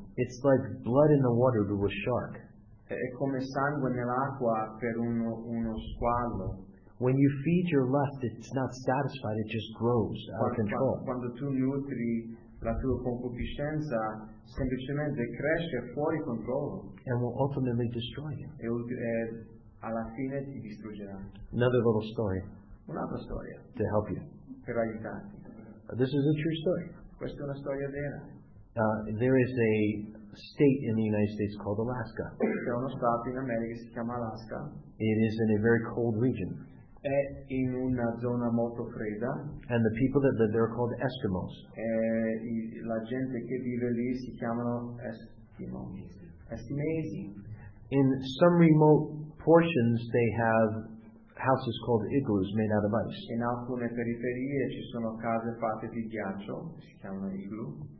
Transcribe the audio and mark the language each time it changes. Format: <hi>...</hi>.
<en>It's like blood in the water to a shark.</en> <it>È come sangue nell'acqua per uno squalo.</it> <en>When you feed your lust, it's not satisfied, it just grows out of control.</en> <it>Quando tu nutri la tua concupiscenza, semplicemente cresce fuori controllo.</it> <en>And will ultimately destroy you.</en> <it>E alla fine ti distruggerà.</it> <en>Another little story.</en> <it>Un'altra storia.</it> <en>To help you.</en> <it>Per aiutarti.</it> <en>This is a true story.</en> <it>Questa è una storia vera.</it> <en>There is a state in the United States called Alaska.</en> <it>C'è uno stato in America che si chiama Alaska.</it> <en>It is in a very cold region.</en> <it>È in una zona molto fredda.</it> <en>And the people that live there are called Eskimos.</en> <it>E la gente che vive lì si chiamano Eskimosi.</it> <en>In some remote portions they have houses called igloos made out of ice.</en> <it>In alcune periferie ci sono case fatte di ghiaccio, si chiamano igloo.</it>